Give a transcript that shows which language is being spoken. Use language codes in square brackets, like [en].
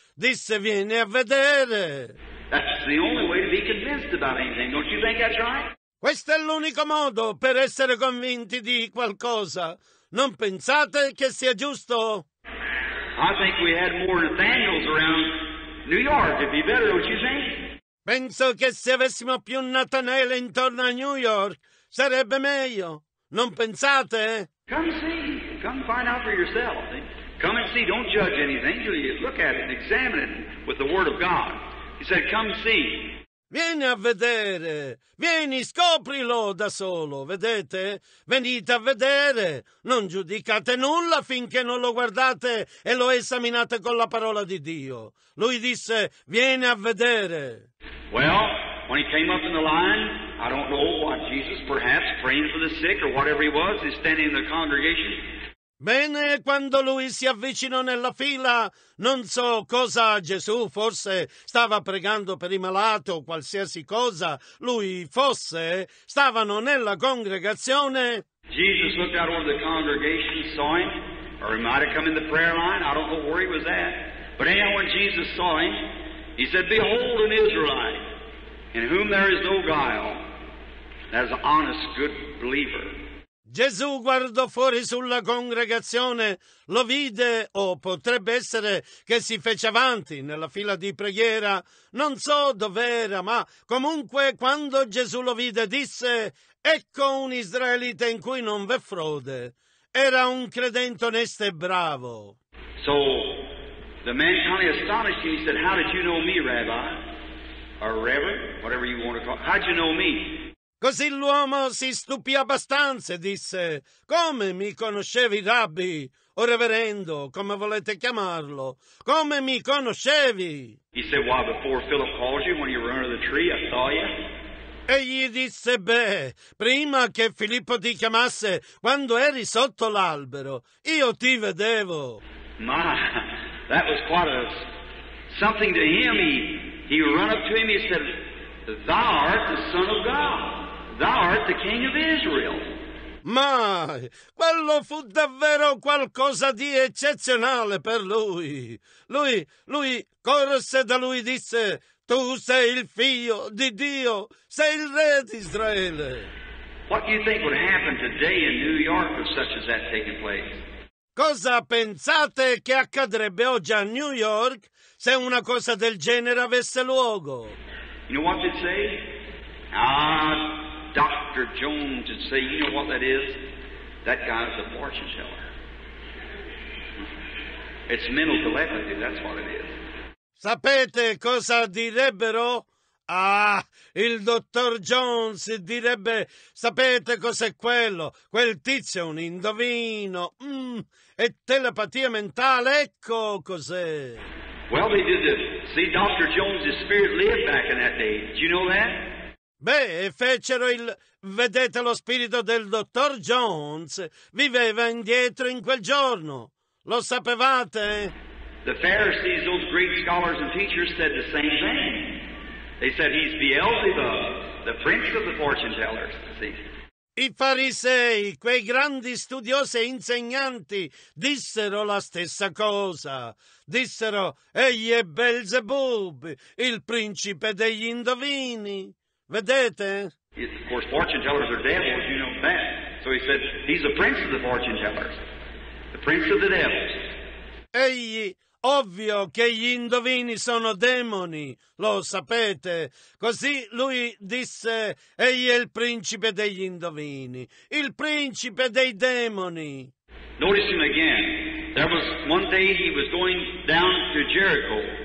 [it] Disse, vieni a vedere. [en] That's the only way to be convinced about anything, don't you think that's right? [it] Questo è l'unico modo per essere convinti di qualcosa. Non pensate che sia giusto? [en] I think we had more Nathaniels around New York, it'd be better, don't you think? [it] Penso che se avessimo più Natanael intorno a New York sarebbe meglio, non pensate? [en] Come see, come find out for yourself. Come and see, don't judge anything. You look at it and examine it with the word of God. He said, come see. [it] Vieni a vedere, vieni, scoprilo da solo, vedete? Venite a vedere, non giudicate nulla finché non lo guardate e lo esaminate con la parola di Dio. Lui disse, vieni a vedere. [en] Well, when he came up in the line, I don't know what Jesus, perhaps praying for the sick or whatever he was, he's standing in the congregation. [it] Bene, quando lui si avvicinò nella fila, non so cosa Gesù, forse stava pregando per i malati o qualsiasi cosa lui fosse, stavano nella congregazione. [en] Jesus looked out over the congregation, saw him, or he might have come in the prayer line, I don't know where he was at, but anyhow, when Jesus saw him, he said, behold an Israelite, in whom there is no guile, that is an honest, good believer. [it] Gesù guardò fuori sulla congregazione, lo vide, o potrebbe essere che si fece avanti nella fila di preghiera, non so dov'era, ma comunque quando Gesù lo vide disse, ecco un israelita in cui non v'è frode, era un credente onesto e bravo. [en] So, the man kind of astonished him, he said, how did you know me, Rabbi, or Reverend, whatever you want to call, how did you know me? [it] Così l'uomo si stupì abbastanza e disse, come mi conoscevi, Rabbi, o reverendo, come volete chiamarlo, come mi conoscevi? [en] He said, why, before Philip called you, when you were under the tree, I saw you. [it] Egli disse, beh, prima che Filippo ti chiamasse, quando eri sotto l'albero, io ti vedevo. [en] Ma, that was quite a, something to him, he ran up to him, he said, thou art the son of God. Thou art the king of Israel. [it] Ma quello fu davvero qualcosa di eccezionale per lui. Lui corse da lui e disse, tu sei il figlio di Dio, sei il re di Israele. [en] What do you think would happen today in New York if such as that taking place? [it] Cosa pensate che accadrebbe oggi a New York se una cosa del genere avesse luogo? [en] You know what they'd say? Dr. Jones would say, you know what that is? That guy's a fortune teller. It's mental telepathy, that's what it is. [it] Sapete cosa direbbero? Ah, il dottor Jones direbbe, sapete cos'è quello? Quel tizio è un indovino. È telepatia mentale, ecco cos'è. [en] Well, they did this. See, Dr. Jones' spirit lived back in that day. Did you know that? [it] Beh, fecero il... Vedete, lo spirito del dottor Jones viveva indietro in quel giorno. Lo sapevate? [en] The Pharisees, those great scholars and teachers, said the same thing. They said he's Beelzebub, the prince of the fortune tellers. See? [it] I farisei, quei grandi studiosi e insegnanti, dissero la stessa cosa. Dissero, egli è Beelzebub, il principe degli indovini. Vedete? [en] Of course, fortune tellers are devils, you know that. So he said, he's the prince of the fortune tellers. The prince of the devils. [it] Egli, ovvio che gli indovini sono demoni, lo sapete. Così lui disse, egli è il principe degli indovini, il principe dei demoni. [en] Notice him again. There was one day he was going down to Jericho.